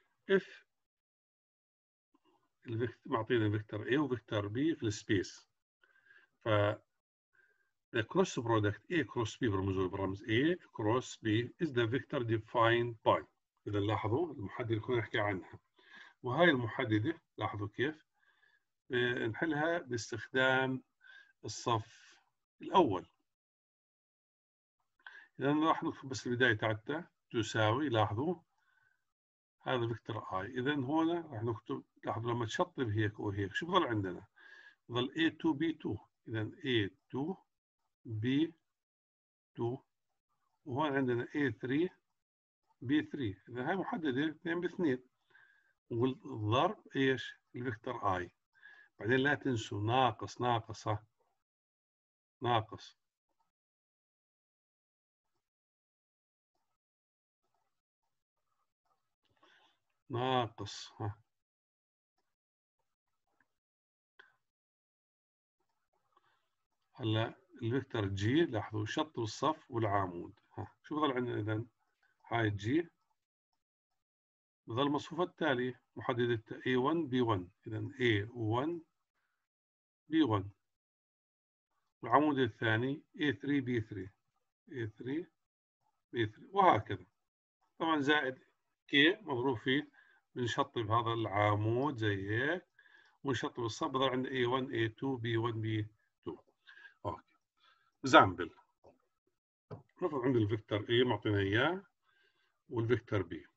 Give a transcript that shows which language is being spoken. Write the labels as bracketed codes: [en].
[en] If [ar] معطينا فيكتور A وفيكتور B في السبيس، ف [en] the cross product A cross B [ar] برمزه برمز [en] A cross B is the vector defined by. [ar] إذا لاحظوا المحددة كنا نحكي عنها، وهاي المحددة لاحظوا كيف نحلها باستخدام الصف الأول. إذا نلاحظوا بس البداية تاعتها تساوي، لاحظوا هذا فيكتور اي. اذا هنا راح نكتب، لاحظوا لما تشطب هيك وهيك شو بضل عندنا؟ بضل A2 B2. اذا A2 B2، وهون عندنا A3 B3. اذا هاي محدده 2 ب 2 والضرب ايش؟ الفيكتور اي. بعدين لا تنسوا ناقص ناقص ناقص ناقص هلا الفكتور جي. لاحظوا شطب الصف والعمود. شو بضل عندنا اذا؟ هاي جي بضل مصفوفة التالية محددة A1 B1. اذا A1 B1 والعمود الثاني A3 B3 A3 B3 وهكذا. طبعا زائد K مضروب فيه، بنشطب هذا العمود زي هيك ونشطب الصف، بضل عند A1 A2 B1 B2. اوكي، زامبل نفرض عند الفيكتور A معطينا اياه والفيكتور B.